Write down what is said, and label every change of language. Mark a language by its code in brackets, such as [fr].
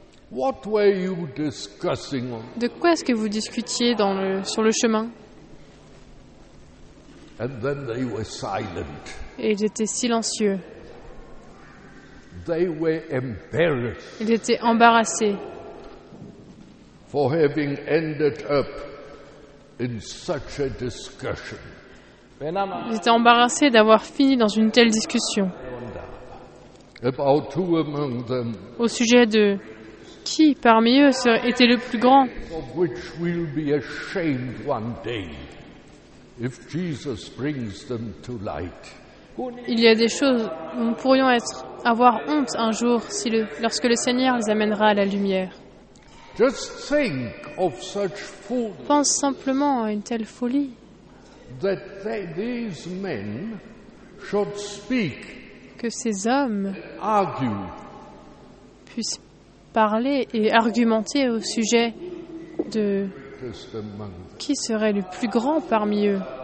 [en] What were you discussing on? [fr] De quoi est-ce que vous discutiez dans le, sur le chemin? [en] And then they were silent. [fr] Et ils étaient silencieux. [en] They were embarrassed. [fr] Ils étaient embarrassés. [en] For having ended up in such a discussion. [fr] Ils étaient embarrassés d'avoir fini dans une telle discussion. [en] About two among them. [fr] Au sujet de qui parmi eux était le plus grand. [en] Of which we'll be ashamed one day. If Jesus brings them to light. [fr] Il y a des choses où nous pourrions avoir honte un jour si lorsque le Seigneur les amènera à la lumière. [en] Just think of such fools. [fr] Pense simplement à une telle folie. [en] That these men should speak. [fr] Que ces hommes [en] argue. [fr] Puissent parler et argumenter au sujet de qui serait le plus grand parmi eux.